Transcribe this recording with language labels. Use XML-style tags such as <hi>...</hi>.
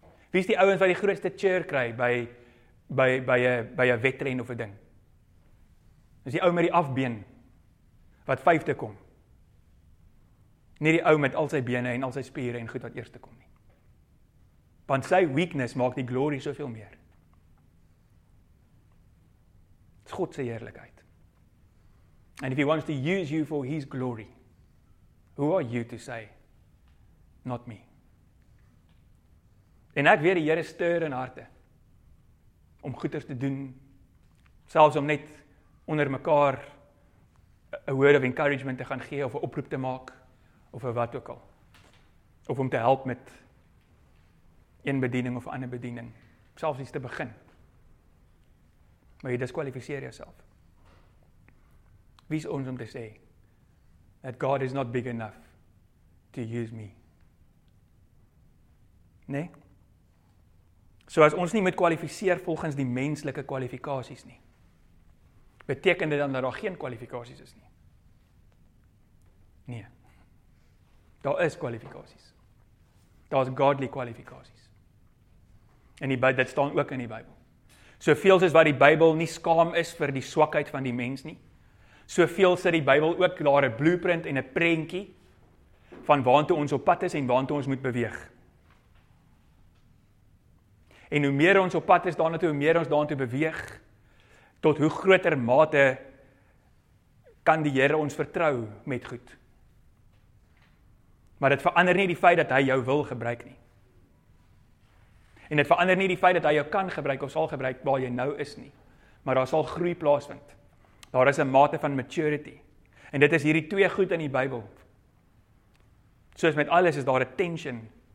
<af>Wie is die ouens wat die grootste cheer kry by 'n wedren of 'n ding? Is die ou met die afbeen wat vyfde kom. Nie die ou met al sy bene en al sy spiere en goed wat eerste kom nie. Want sy weakness maak die glory soveel meer. Dis God se heerlikheid.</af> <en>And if he wants to use you for his glory, who are you to say, not me?</en> <af>En ek weet die Here stuur in harte om goeders te doen, selfs om net onder mekaar 'n</af> <en>word of encouragement</en> <af>te gaan gee of 'n oproep te maak of wat ook al. Of om te help met een bediening of ander bediening, selfs iets te begin. Maar jy diskwalifiseer jouself. Wie is ons om te sê</af> <en>that God is not big enough to use me?</en> <af>Nee? So as ons nie moet kwalifiseer volgens die menslike kwalifikasies nie, beteken dit dan dat daar geen kwalifikasies is nie. Nee. Daar is kwalifikasies. Daar is godly kwalifikasies. En die dit staan ook in die Bybel. Soveel soos wat die Bybel nie skaam is vir die swakheid van die mens nie, soveel sit die Bybel ook daar 'n blueprint en 'n prentjie van waantoe ons op pad is en waantoe ons moet beweeg. En hoe meer ons op pad is daarna toe, hoe meer ons daarna toe beweeg, tot hoe groter mate kan die Here ons vertrou met goed. Maar dit verander nie die feit dat hy jou wil gebruik nie. En dit verander nie die feit dat hy jou kan gebruik of sal gebruik waar jy nou is nie. Maar daar sal groei plaasvind. Daar is 'n mate van maturity. En dit is hierdie twee goed in die Bybel. Soos met alles is daar 'n tension.</af>